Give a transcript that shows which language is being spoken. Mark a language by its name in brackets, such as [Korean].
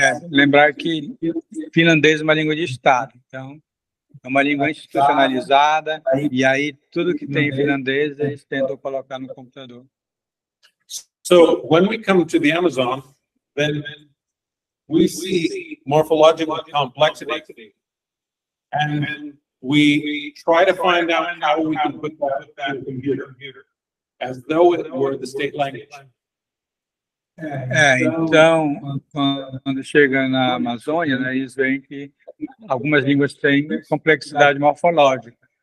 [Portuguese] Lembrar que finlandês é uma língua de Estado, então é uma língua institucionalizada, e aí tudo que tem em finlandês eles tentam colocar no computador. [English] So, when we come to the Amazon, then we see morphological complexity, and we try to find out how we can put that in the computer, as though it were the state language. [Portuguese] Então, quando chega na Amazônia, né, eles veem que algumas línguas têm complexidade morfológica.